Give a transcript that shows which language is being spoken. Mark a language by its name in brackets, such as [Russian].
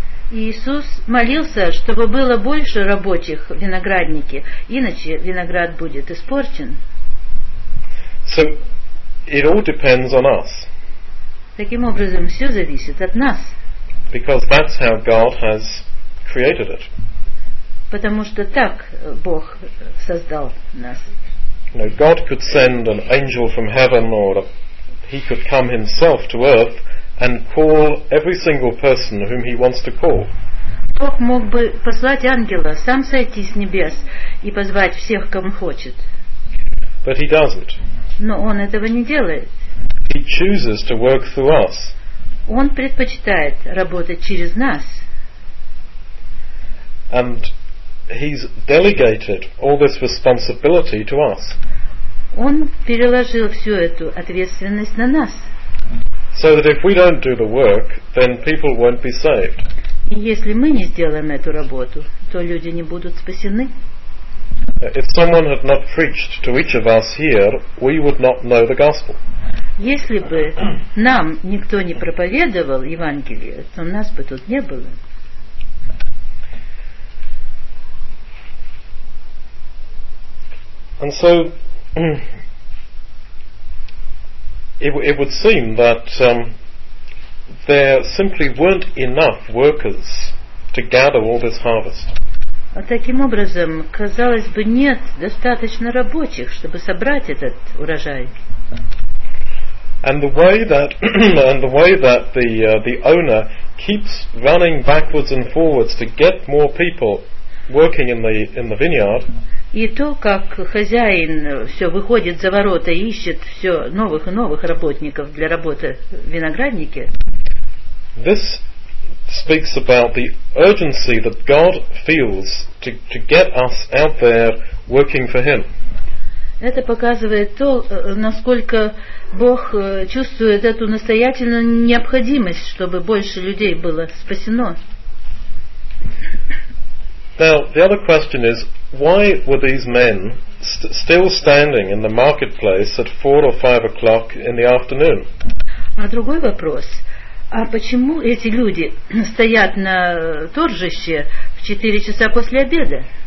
[Russian] Иисус молился, чтобы было больше рабочих в винограднике, иначе виноград будет испорчен. [English] So it all depends on us. [Russian] Таким образом, все зависит от нас. [English] Because that's how God has created it. [Russian] Потому что так Бог создал нас. [English] You know, God could send an angel from heaven, or he could come himself to earth and call every single person whom he wants to call. [Russian] Бог мог бы послать ангела, сам сойти с небес и позвать всех, кому хочет. [English] But he doesn't. [Russian] Но он этого не делает. [English] He chooses to work through us. [Russian] Он предпочитает работать через нас. [English] And he's delegated all this responsibility to us. [Russian] Он переложил всю эту ответственность на нас. [English] So that if we don't do the work, then people won't be saved. [Russian] И если мы не сделаем эту работу, то люди не будут спасены. [English] If someone had not preached to each of us here, we would not know the gospel. [Russian] Если бы нам никто не проповедовал Евангелие, то нас бы тут не было. [English] And so it would seem that there simply weren't enough workers to gather all this harvest. [Russian] Таким образом, казалось бы, нет достаточно рабочих, чтобы собрать этот урожай. [English] And the way that the owner keeps running backwards and forwards to get more people working in the vineyard. [Russian] И то, как хозяин все выходит за ворота и ищет все новых и новых работников для работы в винограднике. [English] This speaks about the urgency that God feels to get us out there working for Him. [Russian] Это показывает то, насколько Бог чувствует эту настоятельную необходимость, чтобы больше людей было спасено. [English] Now, the other question is, why were these men still standing in the marketplace at 4 or 5 o'clock in the afternoon? [Russian] А другой вопрос. А почему эти люди стоят на торжище в 4 часа после обеда?